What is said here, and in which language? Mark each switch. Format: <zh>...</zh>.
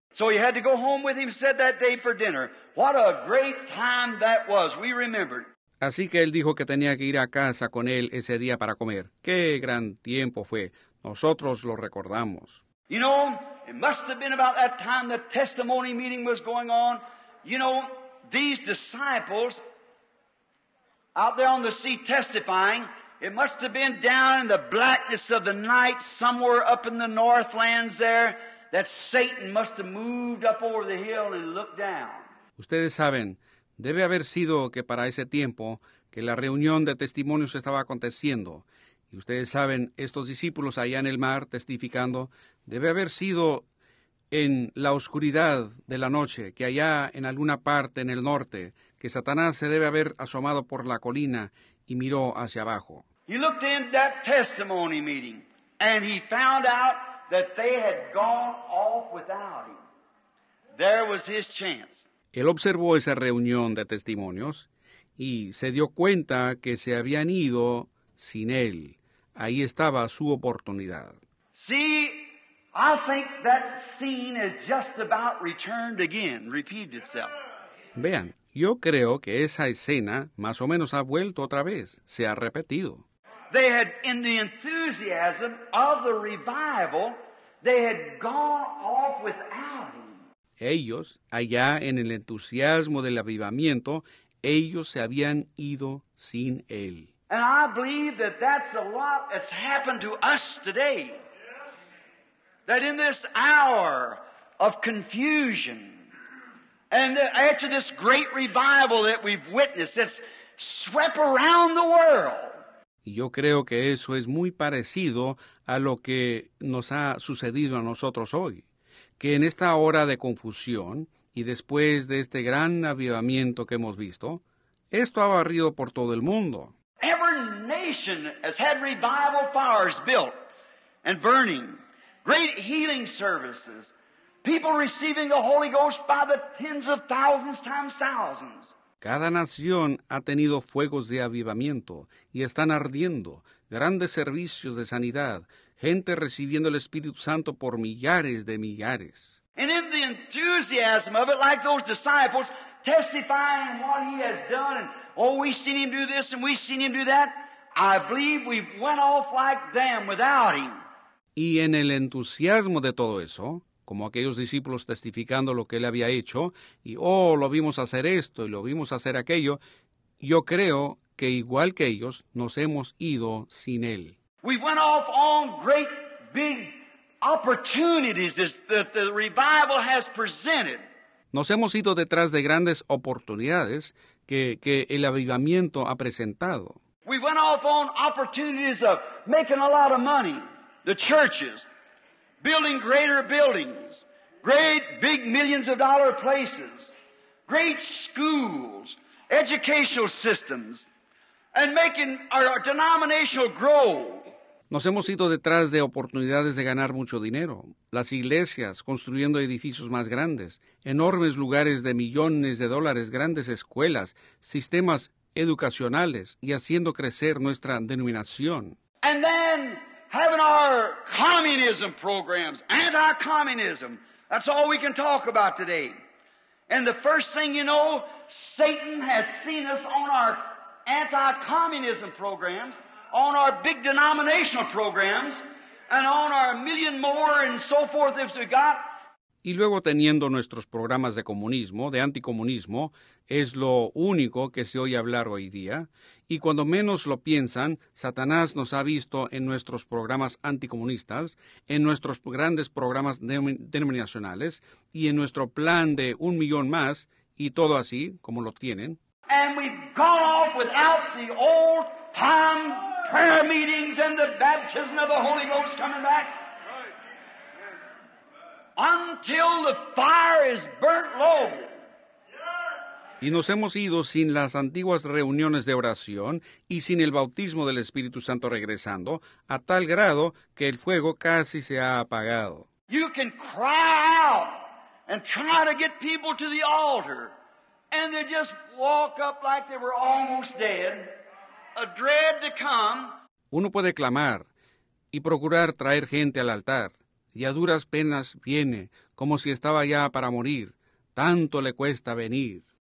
<en>So you had to go home with him, said that day for dinner. What a great time that was. We remembered.</en> <es>Así que él dijo que tenía que ir a casa con él ese día para comer. ¡Qué gran tiempo fue! Nosotros lo recordamos.</es> <en>You know, it must have been about that time the testimony meeting was going on. You know, these disciples out there on the sea testifying, it must have been down in the blackness of the night somewhere up in the northlands there that Satan must have moved up over the hill and looked down.</en> <es>Ustedes saben, debe haber sido que para ese tiempo que la reunión de testimonios estaba aconteciendo. Y ustedes saben, estos discípulos allá en el mar testificando, debe haber sido en la oscuridad de la noche que allá en alguna parte en el norte que Satanás se debe haber asomado por la colina y miró hacia abajo.</es> <en>He looked in that testimony meeting and he found out that they had gone off without him. There was his chance.</en> <es>Él observó esa reunión de testimonios y se dio cuenta que se habían ido sin él. Ahí estaba su oportunidad.</es> <en>See, I think that scene is just about returned again, repeated itself.</en> <es>Vean, yo creo que esa escena más o menos ha vuelto otra vez, se ha repetido.</es> <en>They had, in the enthusiasm of the revival, they had gone off without him.</en> <es>Ellos, allá en el entusiasmo del avivamiento, ellos se habían ido sin él.</es> <en>And I believe that that's a lot that's happened to us today. That in this hour of confusion, and after this great revival that we've witnessed, it's swept around the world.</en> <es>Yo creo que eso es muy parecido a lo que nos ha sucedido a nosotros hoy. Que en esta hora de confusión, y después de este gran avivamiento que hemos visto, esto ha barrido por todo el mundo.</es> <en>Every nation has had revival fires built and burning. Great healing services. People receiving the Holy Ghost by the tens of thousands times thousands.</en> <es>Cada nación ha tenido fuegos de avivamiento y están ardiendo. Grandes servicios de sanidad. Gente recibiendo el Espíritu Santo por millares de millares.</es> <en>And in the enthusiasm of it, like those disciples testifying what he has done, and oh, we've seen him do this and we've seen him do that, I believe we went off like them without him.</en> <es>Y en el entusiasmo de todo eso, como aquellos discípulos testificando lo que él había hecho, y oh, lo vimos hacer esto y lo vimos hacer aquello, yo creo que igual que ellos, nos hemos ido sin él.</es> <en>We went off on great big opportunities that the revival has presented.</en> <es>Nos hemos ido detrás de grandes oportunidades que el avivamiento ha presentado.</es> <en>We went off on opportunities of making a lot of money, the churches, building greater buildings, great big millions of dollar places, great schools, educational systems, and making our denominational grow.</en> <es>Nos hemos ido detrás de oportunidades de ganar mucho dinero. Las iglesias construyendo edificios más grandes, enormes lugares de millones de dólares, grandes escuelas, sistemas educacionales y haciendo crecer nuestra denominación.</es> <en>And then having our communism programs, anti-communism, that's all we can talk about today. And the first thing you know, Satan has seen us on our anti-communism programs, on our big denominational programs, and on our million more and so forth if we got.</en> <es>Y luego teniendo nuestros programas de comunismo, de anticomunismo, es lo único que se oye hablar hoy día. Y cuando menos lo piensan, Satanás nos ha visto en nuestros programas anticomunistas, en nuestros grandes programas denominacionales, y en nuestro plan de un millón más, y todo así, como lo tienen.</es> <en>And we've gone off without the old time prayer meetings and the baptism of the Holy Ghost coming back. Until the fire is burnt low.</en> <es>Y nos hemos ido sin las antiguas reuniones de oración y sin el bautismo del Espíritu Santo regresando, a tal grado que el fuego casi se ha apagado.</es> <en>You can cry out and try to get people to the altar, and they just walk up like they were almost dead, a dread to come.</en> <es>Uno puede clamar y procurar traer gente al altar. Y a duras penas viene, como si estaba ya para morir. Tanto le cuesta venir.</es>